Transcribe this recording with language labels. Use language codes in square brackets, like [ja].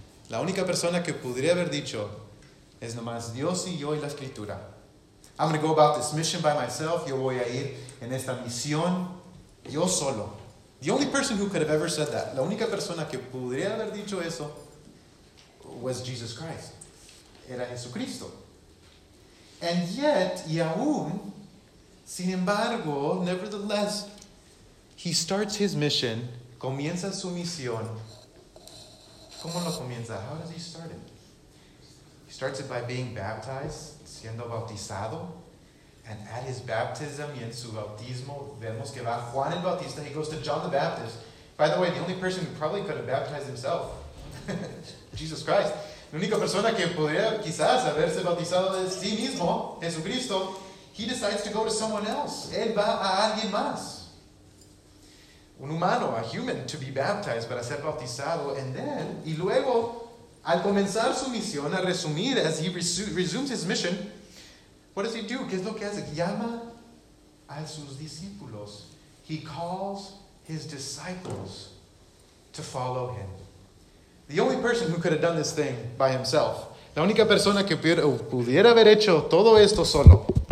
[es] La única persona que podría haber dicho es nomás Dios y yo y la escritura. [en] I'm going to go about this mission by myself. [es] Yo voy a ir en esta misión yo solo. [en] The only person who could have ever said that, [es] la única persona que podría haber dicho eso, [en] was Jesus Christ. [es] Era Jesucristo. [en] And yet, [es] y aún, sin embargo, [en] nevertheless, he starts his mission, [es] comienza su misión. ¿Cómo lo comienza? [en] How does he start it? He starts it by being baptized, [es] siendo bautizado. [en] And at his baptism, [es] y en su bautismo, vemos que va Juan el Bautista, [en] he goes to John the Baptist. By the way, the only person who probably could have baptized himself, Jesus Christ. [es] La única persona que podría quizás haberse bautizado de sí mismo, Jesucristo, [en] he decides to go to someone else. [es] Él va a alguien más. Un humano, [en] a human, to be baptized, [es] para ser bautizado. [en] And then, [es] y luego, al comenzar su misión, a resumir, [en] as he resumes his mission, what does he do? [es] ¿Qué es lo que hace? Llama a sus discípulos. [en] He calls his disciples to follow him. The only person who could have done this thing by himself. [es] La única persona que pudiera haber hecho todo esto solo.